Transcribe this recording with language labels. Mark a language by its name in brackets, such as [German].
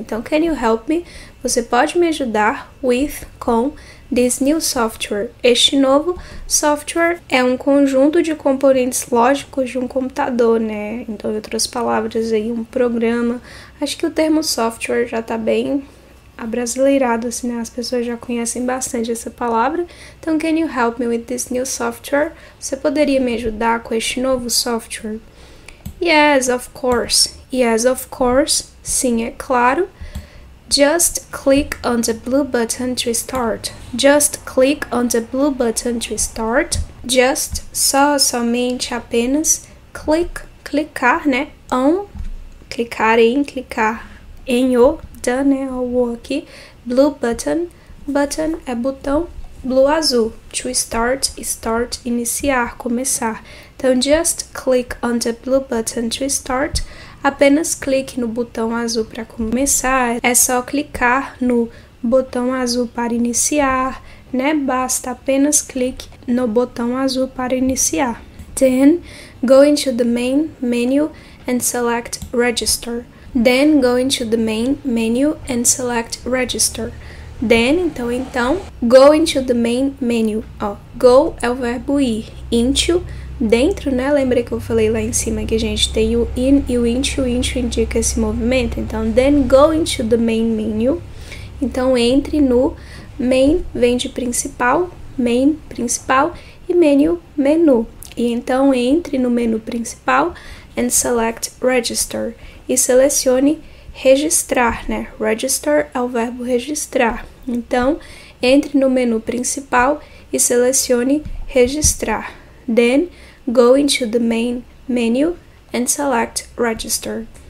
[Portuguese] Então, [English] can you help me? [Portuguese] Você pode me ajudar [English] with, [Portuguese] com, [English] this new software. [Portuguese] Este novo software é um conjunto de componentes lógicos de um computador, né? Então, em outras palavras aí, um programa. Acho que o termo software já tá bem abrasileirado, assim, né? As pessoas já conhecem bastante essa palavra. Então, [English] can you help me with this new software? [Portuguese] Você poderia me ajudar com este novo software? [English] Yes, of course. Yes, of course. [Portuguese] Sim, é claro. [English] Just click on the blue button to start. Just click on the blue button to start. Just, [Portuguese] só, somente, apenas. Click, clicar, né? On, clicar, em o, da, né? O aqui. [English] Blue button, button [Portuguese] é botão. [English] Blue, [Portuguese] azul. [English] To start, start, [Portuguese] iniciar, começar. Então, [English] just click on the blue button to start. [Portuguese] Apenas clique no botão azul para começar. É só clicar no botão azul para iniciar, né? Basta apenas clique no botão azul para iniciar. [English] Then, go into the main menu and select register. Then, go into the main menu and select register. Then, [Portuguese] então, [English] go into the main menu. Ó, go [Portuguese] é o verbo ir. Into, dentro, né? Lembra que eu falei lá em cima que a gente tem o in e o into. O into indica esse movimento. Então, [English] then go into the main menu. [Portuguese] Então, entre no main, vem de principal, main, principal, e menu, menu. E então, entre no menu principal [English] and select register. [Portuguese] E selecione registrar, né? Register é o verbo registrar. Então, entre no menu principal e selecione registrar. [English] Then, go into the main menu and select register.